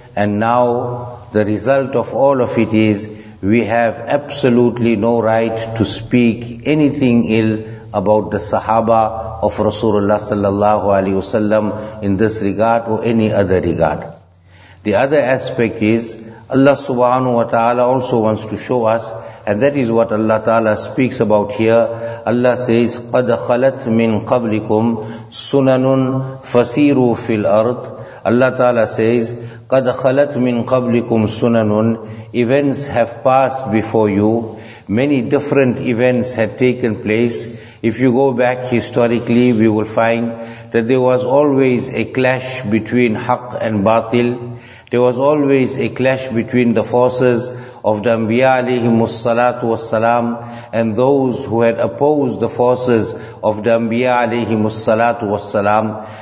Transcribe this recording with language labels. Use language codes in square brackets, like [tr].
[en] And now the result of all of it is we have absolutely no right to speak anything ill about the sahaba of Rasulullah sallallahu alayhi wasallam in this regard or any other regard. The other aspect is Allah subhanahu wa ta'ala also wants to show us, and that is what Allah ta'ala speaks about here. Allah says, [ar] قَدْ خَلَتْ مِنْ قَبْلِكُمْ سُنَنٌ فَسِيرُوا فِي الْأَرْضِ. [en] Allah ta'ala says, [ar] قَدْ خَلَتْ مِنْ قَبْلِكُمْ سُنَنٌ. [en] Events have passed before you. Many different events had taken place. If you go back historically, we will find that there was always a clash between haq and batil. There was always a clash between the forces of the Anbiya alayhimus salatu wassalam and those who had opposed the forces of the Anbiya alayhimus salatu wassalam.